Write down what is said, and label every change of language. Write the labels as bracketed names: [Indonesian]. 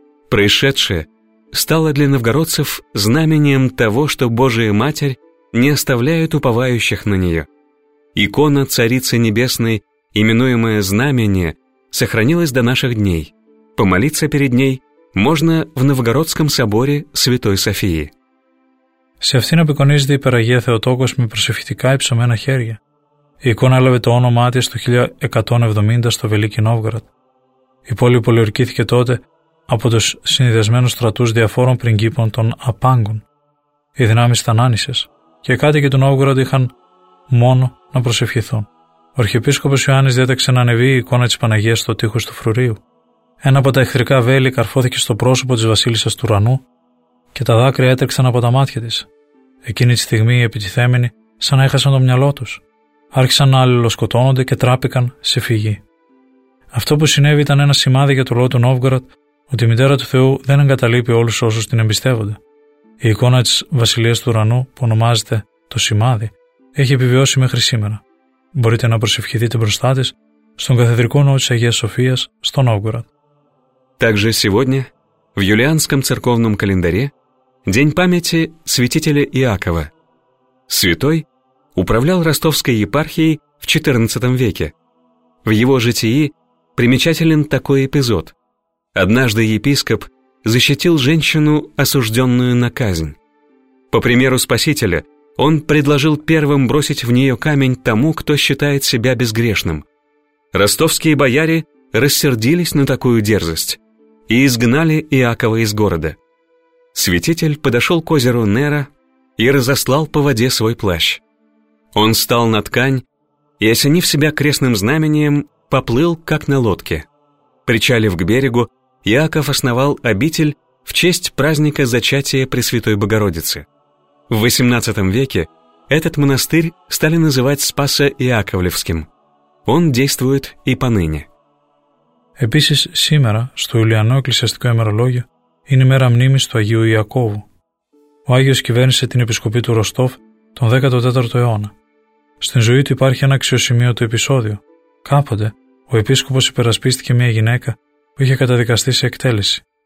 [Russian] Происшедшее стало для новгородцев знамением того, что Божия Матерь не оставляет уповающих на нее. Икона Царицы Небесной, именуемая Знамение, сохранилась до наших дней. Помолиться перед ней можно в Новгородском соборе Святой Софии. [Greek] Σε αυτήν απεικονίζεται η Υπεραγία Θεοτόκος με προσευχητικά υψωμένα χέρια. Η εικόνα έλαβε το όνομά της το 1170 στο Βελίκι Νόβγαρατ. Η πόλη πολιορκήθηκε τότε από τους συνδυασμένους στρατούς διαφόρων πριγκίπων των Απάγκων. Οι δυνάμεις ήταν άνισες και οι κάτοικοι του Νόβγαρατ είχαν μόνο να προσευχηθούν. Ο Αρχιεπίσκοπος Ιωάννης διέταξε να ανεβεί η εικόνα της Παναγίας στο τείχος του Φρουρίου. Ένα από τα εχθρικά βέλη καρφώθηκε στο πρόσωπο της Βασίλισσας του Ουρανού και τα δάκρυα έτρεξαν από τα μάτια της. Εκείνη τη στιγμή οι επιτιθέμενοι, σαν να έχασαν το μυαλό τους, άρχισαν να αλληλοσκοτώνονται και τράπηκαν σε φυγή. Αυτό που συνέβη ήταν ένα σημάδι για το λόγο του Νόβγοροντ ότι η μητέρα του Θεού δεν εγκαταλείπει όλους όσους την εμπιστεύονται. Η εικόνα της Βασιλείας του Ουρανού, που ονομάζεται το Σημάδι, έχει επιβιώσει μέχρι σήμερα. Μπορείτε να προσευχηθείτε μπροστά της στον Καθεδρικό Ναό της Αγίας Σοφίας στο Νόβγοροντ. [Russian] Также сегодня, в юлианском церковном календаре, день памяти святителя Иакова. Святой управлял Ростовской епархией в XIV веке. В его житии примечателен такой эпизод. Однажды епископ защитил женщину, осужденную на казнь. По примеру Спасителя, он предложил первым бросить в нее камень тому, кто считает себя безгрешным. Ростовские бояре рассердились на такую дерзость и изгнали Иакова из города. Святитель подошел к озеру Нера и разослал по воде свой плащ. Он встал на ткань и, осенив себя крестным знамением, поплыл, как на лодке. Причалив к берегу, Иаков основал обитель в честь праздника зачатия Пресвятой Богородицы. В XVIII веке этот монастырь стали называть Спасо-Иаковлевским. Он действует и поныне. [Greek] Επίσης, σήμερα, στο Ιουλιανό Εκκλησιαστικό Ημερολόγιο, είναι η μέρα μνήμης του Αγίου Ιακώβου. Ο Άγιος κυβέρνησε την Επισκοπή του Ροστόφ τον 14ο αιώνα. Στην ζωή του υπάρχει ένα αξιοσημείωτο επεισόδιο. Κάποτε, ο Επίσκοπος υπερασπίστηκε μια γυναίκα που είχε καταδικαστεί σε εκτέλεση.